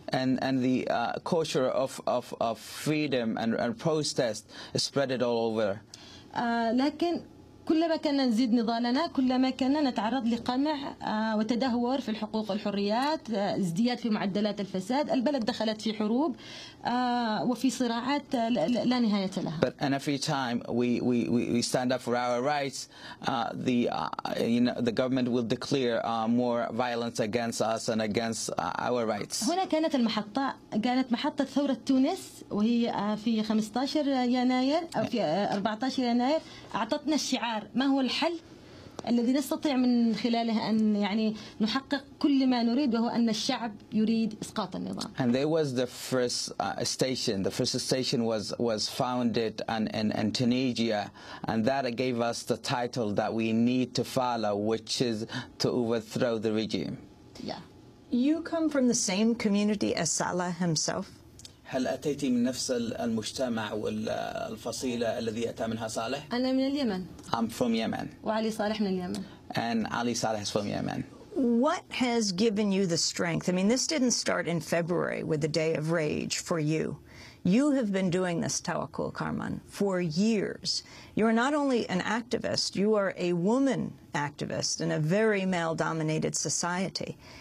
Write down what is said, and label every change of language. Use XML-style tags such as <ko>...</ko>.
<en>And the culture of freedom and protest spread it all over.</en> <ar>لكن كلما كنا نزيد نضالنا كلما كنا نتعرض لقمع وتدهور في الحقوق والحريات ازدياد في معدلات الفساد البلد دخلت في حروب وفي صراعات لا نهاية لها.</ar> <en>But every time we stand up for our rights, the government will declare more violence against us and against our rights.</en> <ar>هنا كانت المحطة كانت محطة ثورة تونس وهي في 15 يناير أو في 14 يناير أعطتنا الشعار ما هو الحل الذي نستطيع من خلاله أن يعني نحقق كل ما نريد وهو أن الشعب يريد إسقاط النظام.</ar> <en>And there was the first station. The first station was founded in Tunisia, and that gave us the title that we need to follow, which is to overthrow the regime. Yeah. You come from the same community as Saleh himself.</en> <ar>هل أتيت من نفس المجتمع والفصيلة الذي أتى منها صالح؟ أنا من اليمن.</ar> <en>I'm from Yemen.</en> <ar>وعلي صالح من اليمن.</ar> <en>And Ali Saleh is from Yemen. What has given you the strength? I mean, this didn't start in February with the day of rage for you. You have been doing this, Tawakkul Karman, for years. You are not only an activist, you are a woman activist in a very male-dominated society.</en>